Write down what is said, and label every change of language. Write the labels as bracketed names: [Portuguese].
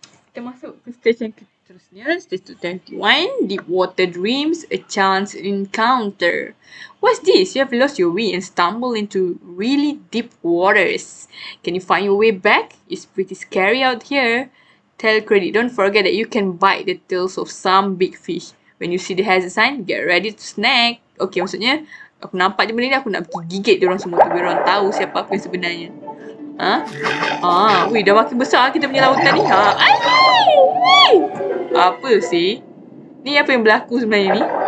[Malay] Kita masuk ke stage yang seterusnya. [English] Stage 21. Deep water dreams. A chance encounter. What's this? You have lost your way and stumbled into really deep waters. Can you find your way back? It's pretty scary out here. Tell Credit, don't forget that you can bite the tails of some big fish. When you see the hazard sign, get ready to snack. [Malay] Okay, maksudnya, aku nampak je benda ni, aku nak pergi gigit dia orang semua tu, biar orang tahu siapa aku yang sebenarnya. Ha? Ah, wih, dah makin besar kita punya lautan ni. Ha? Apa sih? Ni apa yang berlaku sebenarnya ni?